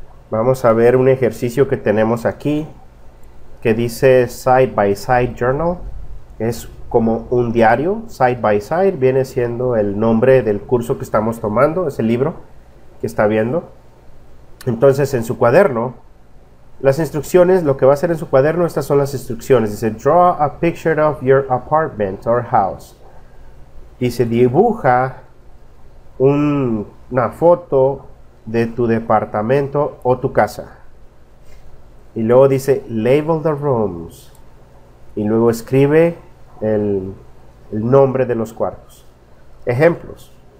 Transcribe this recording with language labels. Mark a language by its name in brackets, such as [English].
[Spanish] Vamos a ver un ejercicio que tenemos aquí, que dice side by side journal. Es como un diario. Side by side viene siendo el nombre del curso que estamos tomando, es el libro que está viendo. Entonces, en su cuaderno, las instrucciones, lo que va a hacer en su cuaderno, estas son las instrucciones. [English] Dice, draw a picture of your apartment or house. [Spanish] Dice, dibuja una foto de tu departamento o tu casa. Y luego dice, [English] label the rooms. [Spanish] Y luego escribe el nombre de los cuartos. Ejemplos.